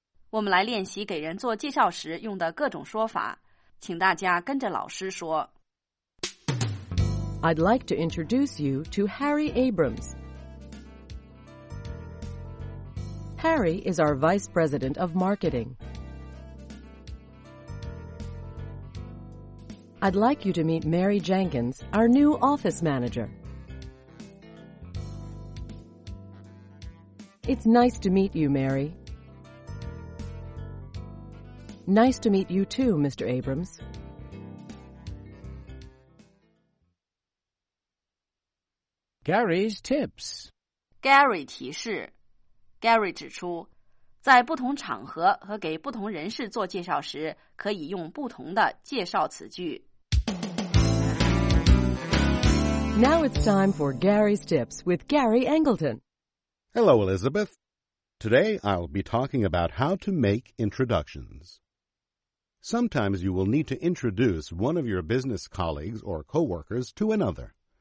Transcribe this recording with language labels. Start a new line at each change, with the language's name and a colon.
Chinese: 我们来练习给人做介绍时用的各种说法，请大家跟着老师说。
English: I'd like to introduce you to Harry Abrams. Harry is our vice president of marketing. I'd like you to meet Mary Jenkins, our new office manager. It's nice to meet you, Mary. Nice to meet you too, Mr. Abrams. Gary's tips.
Chinese: Gary 提示。 Gary 指出，在不同场合和给不同人士做介绍时，可以用不同的介绍词句。
English: Now it's time for Gary's tips with Gary Angleton. Hello, Elizabeth. Today I'll be talking about how to make introductions. Sometimes you will need to introduce one of your business colleagues or coworkers to another.